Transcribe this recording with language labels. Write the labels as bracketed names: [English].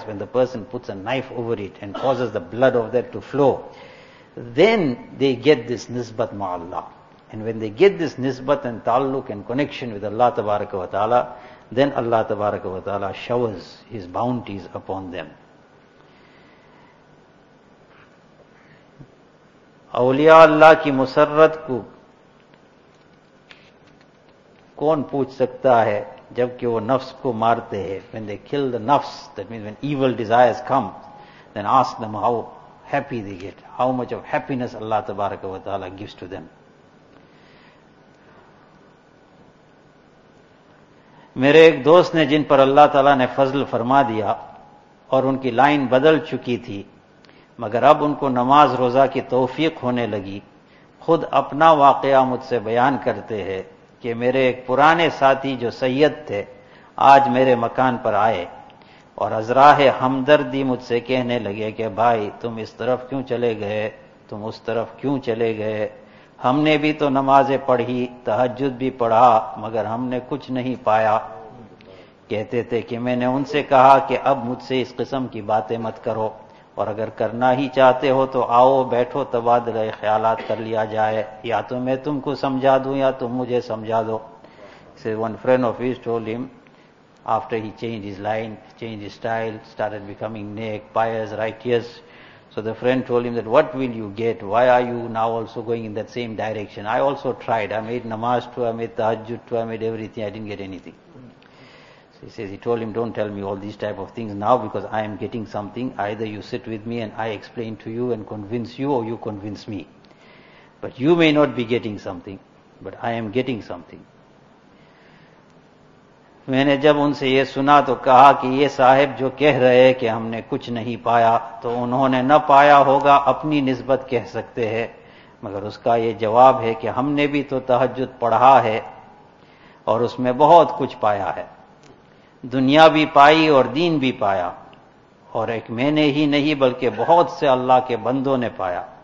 [English] When the person puts a knife over it and causes the blood of that to flow, then they get this nisbat ma'allah. And when they get this nisbat and taluk and connection with Allah Tabaraka wa Ta'ala, then Allah Tabaraka wa Ta'ala showers His bounties upon them. [Urdu] اولیاء اللہ کی مسرت کو کون پوچھ سکتا ہے جبکہ وہ نفس کو مارتے ہیں. [English] When they kill the nafs, that means when evil desires come, then ask them how happy they get, how much of happiness Allah تبارک و تعالی gives to them. [Urdu] میرے ایک دوست نے جن پر اللہ تعالیٰ نے فضل فرما دیا اور ان کی لائن بدل چکی تھی مگر اب ان کو نماز روزہ کی توفیق ہونے لگی, خود اپنا واقعہ مجھ سے بیان کرتے ہیں کہ میرے ایک پرانے ساتھی جو سید تھے آج میرے مکان پر آئے اور ازراہ ہمدردی مجھ سے کہنے لگے کہ بھائی تم اس طرف کیوں چلے گئے, تم اس طرف کیوں چلے گئے, ہم نے بھی تو نمازیں پڑھی تہجد بھی پڑھا مگر ہم نے کچھ نہیں پایا. کہتے تھے کہ میں نے ان سے کہا کہ اب مجھ سے اس قسم کی باتیں مت کرو اور اگر کرنا ہی چاہتے ہو تو آؤ بیٹھو تبادلہ خیالات کر لیا جائے, یا تو میں تم کو سمجھا دوں یا تم مجھے سمجھا دو. [English] One friend of his told him after he change his line change his style started becoming نیک pious righteous. So the friend told him that, what will you get? Why are you now also going in that same direction? I also tried. I made namaz too, I made tahajjud too, I made everything. I didn't get anything. So he says, he told him, don't tell me all these type of things now because I am getting something. Either you sit with me and I explain to you and convince you, or you convince me. But you may not be getting something, but I am getting something. [Urdu] میں نے جب ان سے یہ سنا تو کہا کہ یہ صاحب جو کہہ رہے کہ ہم نے کچھ نہیں پایا تو انہوں نے نہ پایا ہوگا اپنی نسبت کہہ سکتے ہیں, مگر اس کا یہ جواب ہے کہ ہم نے بھی تو تہجد پڑھا ہے اور اس میں بہت کچھ پایا ہے, دنیا بھی پائی اور دین بھی پایا, اور ایک میں نے ہی نہیں بلکہ بہت سے اللہ کے بندوں نے پایا.